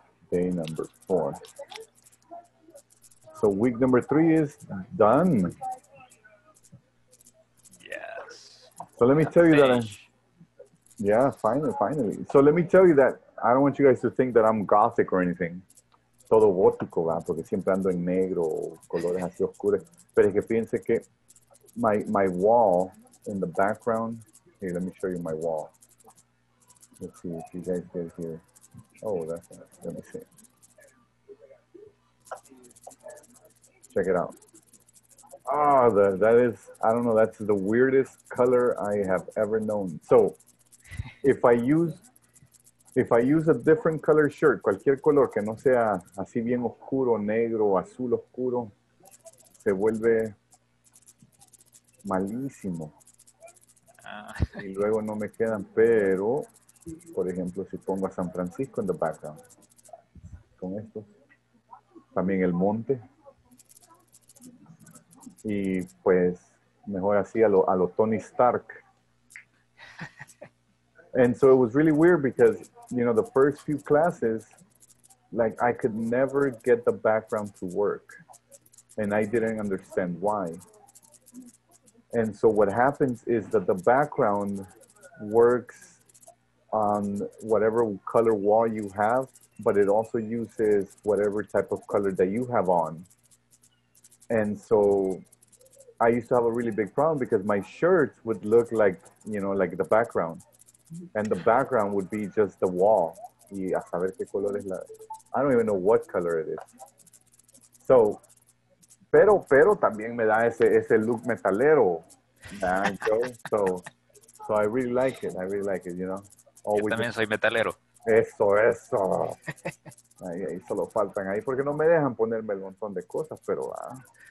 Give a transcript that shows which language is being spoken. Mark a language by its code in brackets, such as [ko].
[en] Day number 4. So week number 3 is done. Yes. So let me tell you that. Finally. So let me tell you that. I don't want you guys to think that I'm gothic or anything. [es] Todo gótico, ¿verdad? Porque siempre ando en negro, colores así oscuros. Pero es que piense que [en] my wall in the background. Hey, let me show you my wall. Let's see if you guys get here. Oh, that's nice. Let me see. Check it out. Ah, oh, that is, I don't know, that's the weirdest color I have ever known. So, if I use a different color shirt, [es] cualquier color que no sea así bien oscuro, negro, azul oscuro, se vuelve malísimo. Y luego no me quedan, pero, por ejemplo, si pongo a San Francisco en [en] the background, [es] con esto, también el monte. Y pues, mejor así a lo Tony Stark. [en] And so it was really weird because, you know, the first few classes, like I could never get the background to work. And I didn't understand why. And so what happens is that the background works on whatever color wall you have, but it also uses whatever type of color that you have on. And so I used to have a really big problem because my shirts would look like, you know, like the background. And the background would be just the wall. [es] Y a saber qué color es la... [en] I don't even know what color it is. [es] So, pero también me da ese look metalero. [en] So I really like it. I really like it, you know. [es] Always. Yo también soy metalero. Eso. Ahí solo faltan ahí porque no me dejan ponerme el montón de cosas, pero va.